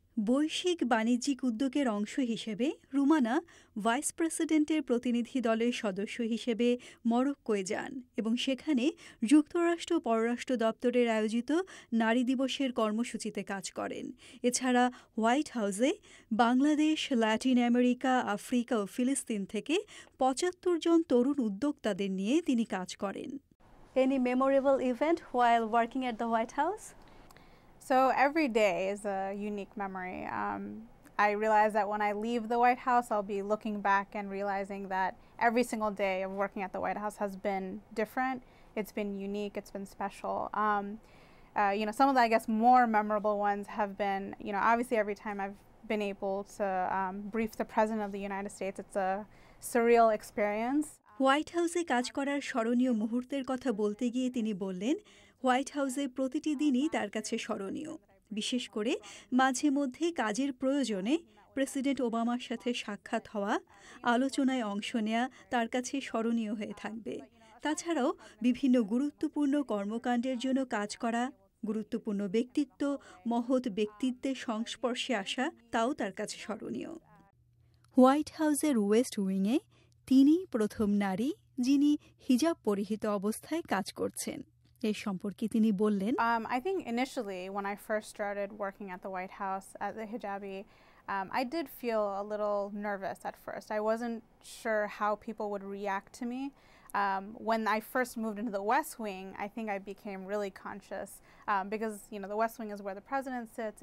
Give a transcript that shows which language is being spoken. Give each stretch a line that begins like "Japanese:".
Bangla: বৈশ্বিক বাণিজ্যিক উদ্যোগের অংশ হিসেবে রুমানা ভাইস প্রেসিডেন্টের প্রতিনিধি দলের সদস্য হিসেবে মরক্কোয়ে যান এবং সেখানে যুক্তরাষ্ট্র পররাষ্ট্র দপ্তরের আয়োজিত নারী দিবসের কর্মসূচিতে কাজ করেন। এছাড়া হোয়াইট হাউসে বাংলাদেশ, ল্যাটিন আমেরিকা, আফ্রিকা ও ফিলিস্তিন থেকে 75 জন তরুণ উদ্যোক্তাদের নিয়ে তিনি কাজ করেন।
English: Any memorable event while working at the White House? So every day is a unique memory. I realize that when I leave the White House, I'll be looking back and realizing that every single day of working at the White House has been different. It's been unique. It's been special. You know, some of the, I guess, more memorable ones have been, you know, obviously every time I've been able to brief the President of the United States, it's a surreal experience.
Bangla: White হাউসে কাজ করার স্মরণীয় মুহূর্তের কথা বলতে গিয়ে তিনি বললেন, হোয়াইট হাউসে প্রতিটি দিনই তার কাছে স্মরণীয়, বিশেষ করে মাঝে মধ্যে কাজের প্রয়োজনে প্রেসিডেন্ট ওবামার সাথে সাক্ষাৎ হওয়া, আলোচনায় অংশ নেওয়া তার কাছে স্মরণীয় হয়ে থাকবে। তাছাড়াও বিভিন্ন গুরুত্বপূর্ণ কর্মকাণ্ডের জন্য কাজ করা, গুরুত্বপূর্ণ ব্যক্তিত্ব, মহৎ ব্যক্তিত্বের সংস্পর্শে আসা, তাও তার কাছে স্মরণীয়। হোয়াইট হাউসের ওয়েস্ট উইংয়ে তিনি প্রথম নারী যিনি হিজাব পরিহিত অবস্থায় কাজ করছেন। এ সম্পর্কে তিনি বললেন,
English: I think initially when I first started working at the White House as a hijabi, I did feel a little nervous at first. I wasn't sure how people would react to me. When I first moved into the West Wing, I think I became really conscious because, you know, the West Wing is where the president sits.